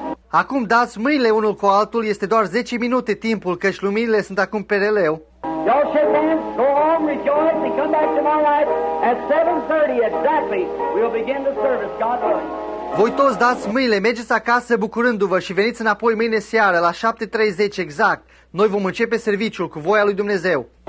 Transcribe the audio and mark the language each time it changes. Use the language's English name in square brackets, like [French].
[Romanian] Acum dați mâinile unul cu altul, este doar 10 minute timpul, căci luminile sunt acum pe releu. [English] Y'all shake hands, go home, rejoice, and come back tomorrow night at 7:30 exactly. We'll begin the service, God willing. [Romanian] Voi toți dați mâinile, mergeți acasă bucurându-vă și veniți înapoi mâine seară la 7:30 exact. Noi vom începe serviciul cu voia lui Dumnezeu.